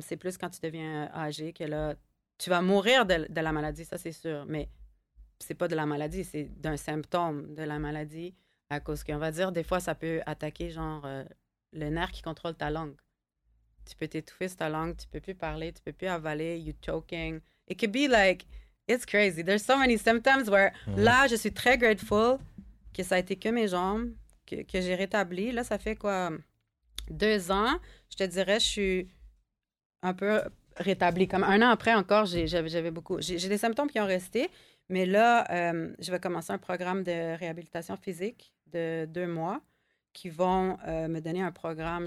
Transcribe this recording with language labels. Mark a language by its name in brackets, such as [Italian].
[French] C'est plus quand tu deviens âgé que là, tu vas mourir de la maladie, ça c'est sûr. Mais c'est pas de la maladie, c'est d'un symptôme de la maladie à cause qu'on va dire, des fois, ça peut attaquer genre le nerf qui contrôle ta langue. Tu peux t'étouffer sur ta langue, tu peux plus parler, tu peux plus avaler, [English] you're choking. It could be like, it's crazy. There's so many symptoms where, [French] là, je suis très [English] grateful [French] que ça a été que mes jambes que j'ai rétabli. Là, ça fait quoi, 2 ans? Je te dirais, je suis un peu rétablie. Comme 1 an après encore, j'avais beaucoup. J'ai des symptômes qui ont resté. Mais là, je vais commencer un programme de réhabilitation physique de 2 mois qui vont me donner un programme.